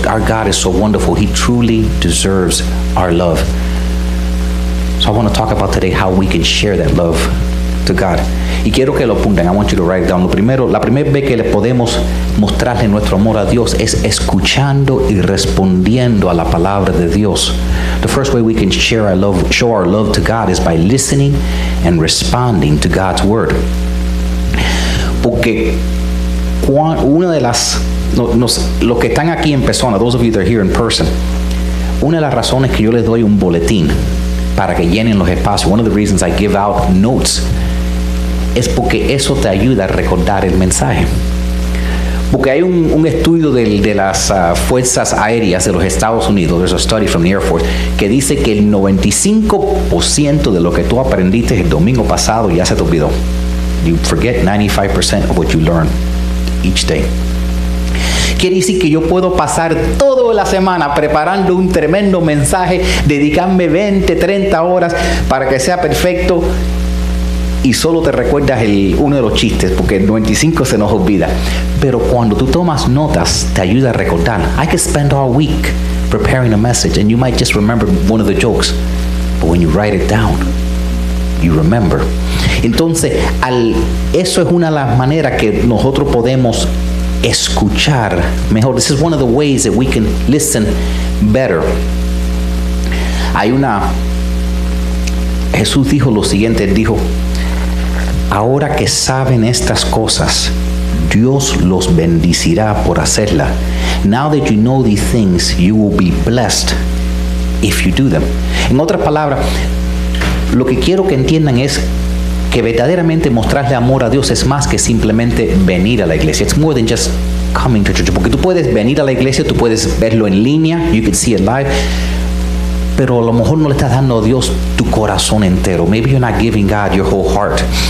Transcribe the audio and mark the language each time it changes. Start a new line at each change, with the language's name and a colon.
English: Our God is so wonderful. He truly deserves our love. So I want to talk about today how we can share that love to God.
Spanish: Y quiero que lo apunten.
English: I want you to write it down.
Spanish: Lo primero, la primera vez que le podemos mostrarle nuestro amor a Dios es escuchando y respondiendo a la palabra de Dios.
English: The first way we can share our love, show our love to God, is by listening and responding to God's word.
Spanish: Porque una de las, los que están aquí en persona,
English: those of you that are here in person,
Spanish: una de las razones que yo les doy un boletín para que llenen los espacios,
English: one of the reasons I give out notes,
Spanish: es porque eso te ayuda a recordar el mensaje. Porque hay un estudio de las Fuerzas Aéreas de los Estados Unidos,
English: there's a study from the Air Force,
Spanish: que dice que el 95% de lo que tú aprendiste el domingo pasado ya se te olvidó.
English: You forget 95% of what you learn each day.
Spanish: Quiere decir que yo puedo pasar toda la semana preparando un tremendo mensaje, dedicarme 20, 30 horas para que sea perfecto, y solo te recuerdas uno de los chistes, porque el 95 se nos olvida. Pero cuando tú tomas notas, te ayuda a recordar.
English: I could spend all week preparing a message and you might just remember one of the jokes. But when you write it down, you remember.
Spanish: Entonces, eso es una de las maneras que nosotros podemos escuchar mejor.
English: This is one of the ways that we can listen better.
Spanish: Jesús dijo lo siguiente, dijo, ahora que saben estas cosas, Dios los bendecirá por hacerla.
English: Now that you know these things, you will be blessed if you do them.
Spanish: En otras palabras, lo que quiero que entiendan es que verdaderamente mostrarle amor a Dios es más que simplemente venir a la iglesia.
English: It's more than just coming to church.
Spanish: Porque tú puedes venir a la iglesia, tú puedes verlo en línea,
English: you can see it live.
Spanish: Pero a lo mejor no le estás dando a Dios tu corazón entero.
English: Maybe you're not giving God your whole heart.